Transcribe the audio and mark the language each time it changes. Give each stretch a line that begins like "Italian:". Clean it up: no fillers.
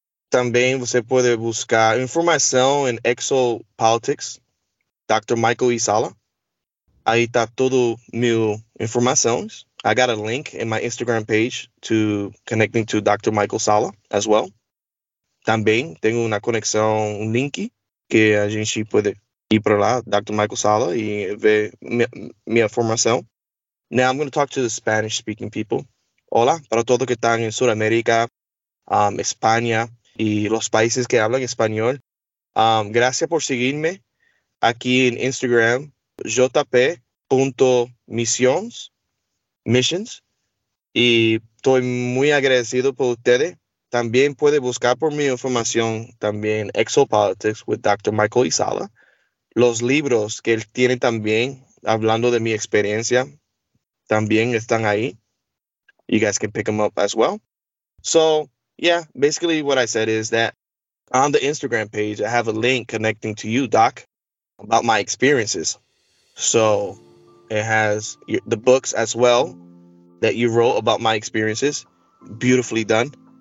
Portuguese: Também você pode buscar informação em Exopolitics, Dr. Michael Isala. Aí tá todo meu informações.
English: I got a link in my Instagram page to connecting to Dr. Michael Sala as well.
Portuguese: Também tenho na conexão um link que a gente pode ir para lá, Dr. Michael Sala, e ver minha formação.
English: Now I'm going to talk to the Spanish-speaking people.
Spanish: Hola, para todos que estão em Sudamérica, España e los países que hablan español. Gracias por seguirme aquí en Instagram. jp.missions missions y estoy muy agradecido por ustedes. También puede buscar por mi información también Exopolitics with Dr. Michael Isala. Los libros que él tiene también hablando de mi experiencia también están ahí.
English: You guys can pick them up as well. So yeah, basically what I said is that on the Instagram page I have a link connecting to you, Doc, about my experiences. So it has the books as well that you wrote about my experiences, beautifully done.